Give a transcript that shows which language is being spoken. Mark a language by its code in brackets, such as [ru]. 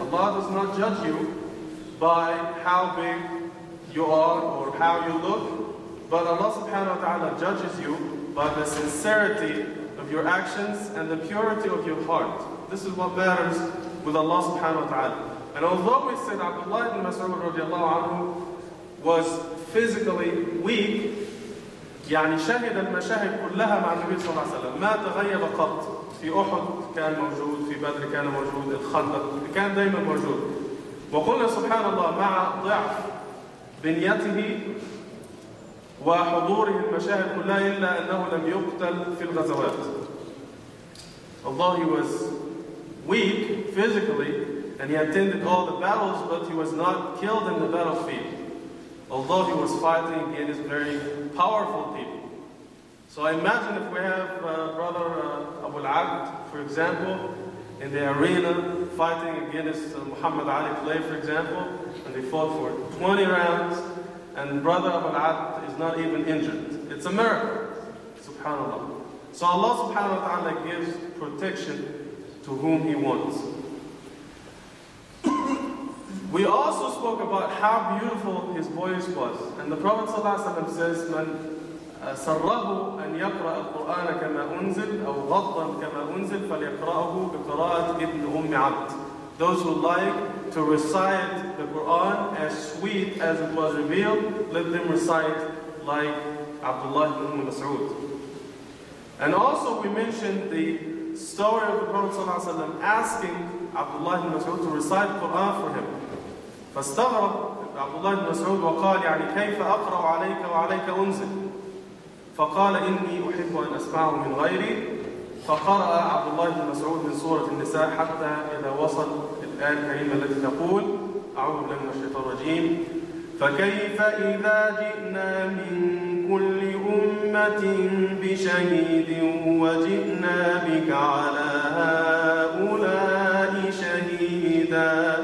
[en] Allah does not judge you by how big you are or how you look, but Allah subhanahu wa ta'ala judges you by the sincerity of your actions and the purity of your heart. This is what matters with Allah subhanahu wa ta'ala. And although we said Abdullah ibn Mas'ud radiallahu anhu was physically weak, [ar] يعني شهد المشاهد كلها مع النبي صلى الله عليه وسلم ما تغير قط. في أحد كان موجود, في بدر كان موجود, الخندق كان دائما موجود. وقلنا سبحان الله مع ضعف بنيته وحضوره المشاهد كلها إلا أنه لم يقتل في الغزوات. [en] Although he was weak physically and he attended all the battles, but he was not killed in the battlefield. Although he was fighting against very powerful people. So I imagine if we have brother Abu al-Abd, for example, in the arena fighting against Muhammad Ali Clay, for example, and they fought for 20 rounds, and brother Abu al-Abd is not even injured. It's a miracle, subhanAllah. So Allah subhanahu wa ta'ala gives protection to whom He wants. We also spoke about how beautiful his voice was. And the Prophet [ar] sallallahu alayhi wa sallam says, من سره أن يقرأ القرآن كما أنزل أو غضا كما أنزل فليقرأه بقراءة ابن أم عبد. [en] Those who like to recite the Quran as sweet as it was revealed, let them recite like Abdullah ibn Mas'ud. And also we mentioned the story of the Prophet ﷺ asking Abdullah ibn Mas'ud to recite the Quran for him. [ar] فاستغرب Abdullah ibn Mas'ud وقال يعني كيف أقرأ عليك وعليك أنزل فقال إني أحب أن أسمعه من غيري فقرأ Abdullah ibn Mas'ud من سورة النساء حتى إذا وصل الآية الكريمة التي تقول أعوذ بالله من الشيطان الرجيم فكيف إذا جئنا من كل أمة بشهيد وجئنا بك على هؤلاء شهيدا